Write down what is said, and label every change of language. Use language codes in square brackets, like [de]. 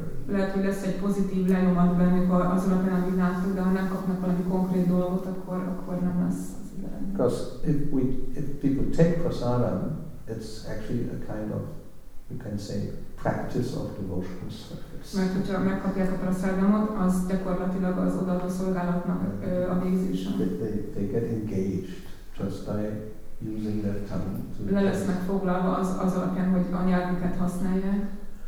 [hu] lehet, hogy lesz egy pozitív lenyomat bennük azon a pillanat, amit láttuk, de ha nem kapnak valami konkrét dolgot, akkor nem lesz az ideje. [en] Because if people take prasadam, it's actually a kind of, you can say, practice of devotional service. [hu] Mert hogyha megkapják a prasadamot, az gyakorlatilag az odaadó szolgálatnak a végzése. [en] They get engaged just by using their tongue. [hu] Le lesznek foglalva az alapján, hogy a nyelvüket használják.